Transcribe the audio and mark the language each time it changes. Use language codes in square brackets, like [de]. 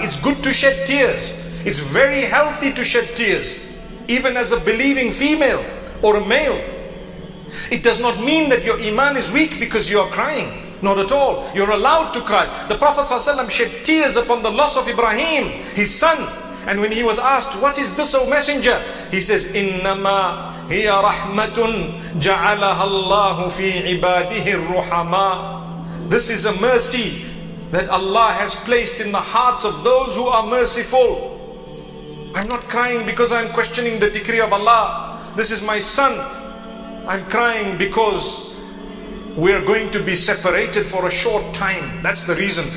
[en] It's good to shed tears. It's very healthy to shed tears, even as a believing female or a male. It does not mean that your iman is weak because you are crying. Not at all. You're allowed to cry. The Prophet ﷺ shed tears upon the loss of Ibrahim, his son. And when he was asked, what is this, O Messenger? He says, [ar] إِنَّمَا هِيَ رَحْمَةٌ جَعَلَهَا اللَّهُ فِي عِبَادِهِ الرُّحَمَىٰ. [en] This is a mercy that Allah has placed in the hearts of those who are merciful. I'm not crying because I'm questioning the decree of Allah. This is my son. I'm crying because we're going to be separated for a short time. That's the reason.